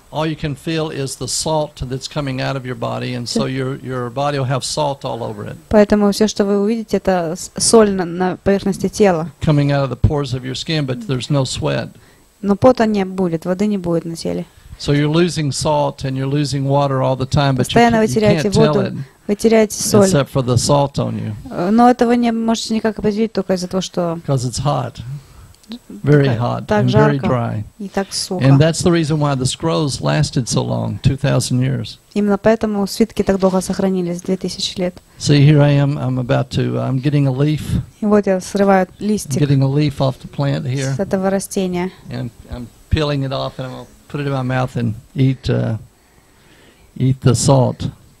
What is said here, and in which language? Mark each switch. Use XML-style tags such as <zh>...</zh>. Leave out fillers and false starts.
<en>All you can feel is the salt that's coming out of your body, and so your body will have salt all over it.</en> <ru>Поэтому все, что вы увидите, это соль на поверхности тела.</ru> <en>Coming out of the pores of your skin, but there's no sweat.</en> <ru>Но пота не будет, воды не будет на теле.</ru> <en>So you're losing salt and you're losing water all the time, but you can't tell it.</en> <ru>Вы теряете соль.</ru> <en>Except for the salt on you.</en> <ru>Но этого не можете никак определить только из-за того, что.</ru> <en>Because it's hot, very hot,</en> <ru>так</ru> <en>and very dry.</en> <ru>И так сухо.</ru> <en>And that's the reason why the scrolls lasted so long, 2,000 years.</en> <ru>Именно поэтому свитки так долго сохранились, 2000 лет.</ru> <en>See, here I am. I'm getting a leaf.</en> <ru>И вот я срываю листик.</ru> <en>I'm getting a leaf off the plant here.</en> <ru>С этого растения.</ru> <en>And I'm peeling it off, and I'm gonna put it in my mouth and eat the salt.</en>